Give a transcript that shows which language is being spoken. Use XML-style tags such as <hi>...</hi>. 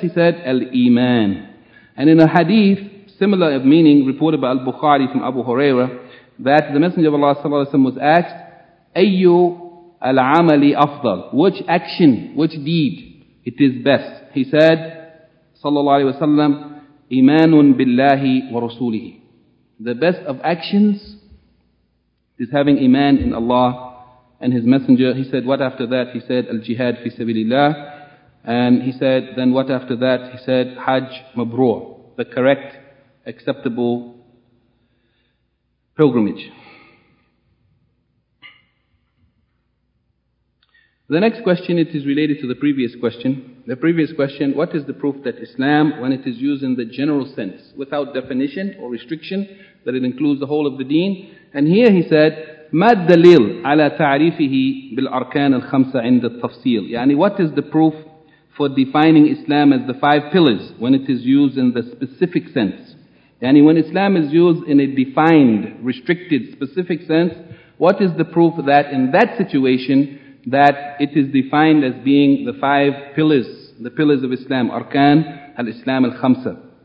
<en>He said,</en> <ar>الْإِيمَانِ.</ar> <en>And in a hadith, similar of meaning, reported by Al-Bukhari from Abu Hurairah, that the Messenger of Allah ﷺ was asked,</en> <ar>أَيُّ الْعَمَلِ أَفْضَلُ,</ar> <en>which action, which deed, it is best? He said,</en> <ar>sallallahu alayhi wa sallam, إِمَانٌ بِاللَّهِ وَرَسُولِهِ.</ar> <en>The best of actions is having iman in Allah and His Messenger. He said, what after that? He said,</en> <ar>الْجِهَاد فِي سَبِيلِ اللَّهِ.</ar> <en>And he said, then what after that? He said,</en> <ar>حَجْ مَبْرُوعٌ,</ar> <en>the correct, acceptable pilgrimage. The next question, it is related to the previous question. The previous question, what is the proof that Islam, when it is used in the general sense, without definition or restriction, that it includes the whole of the deen? And here he said,</en> <ar>مَا الدَّلِيلْ عَلَىٰ تَعْرِيفِهِ بِالْأَرْكَانِ الْخَمْسَ عِنْدَ التَّفْصِيلِ.</ar> <en>Yani what is the proof for defining Islam as the five pillars when it is used in the specific sense? Yani when Islam is used in a defined, restricted, specific sense, what is the proof that in that situation, that it is defined as being the five pillars, the pillars of Islam, Arkan al-Islam al-Khamsa.</en>